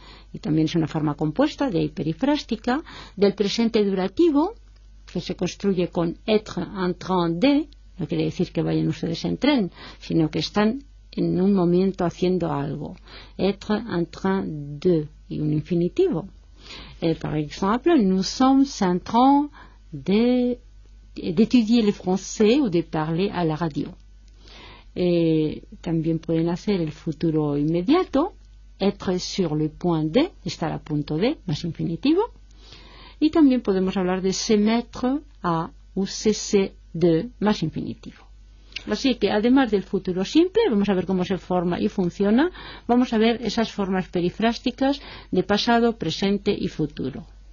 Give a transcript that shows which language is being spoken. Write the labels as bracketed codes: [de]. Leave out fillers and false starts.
[es] y también es una forma compuesta, de ahí perifrástica, del presente durativo, que se construye con être en train de, no quiere decir que vayan ustedes en tren, sino que están en un momento haciendo algo, être en train de, y un infinitivo. Por ejemplo, [fr] nous sommes en train d'étudier le français ou de parler à la radio. [es] También pueden hacer el futuro inmediato, être sur le point de, estar a punto de, más infinitivo. Y también podemos hablar de se mettre à ou cesser de, más infinitivo. Así que además del futuro simple, vamos a ver cómo se forma y funciona, vamos a ver esas formas perifrásticas de pasado, presente y futuro.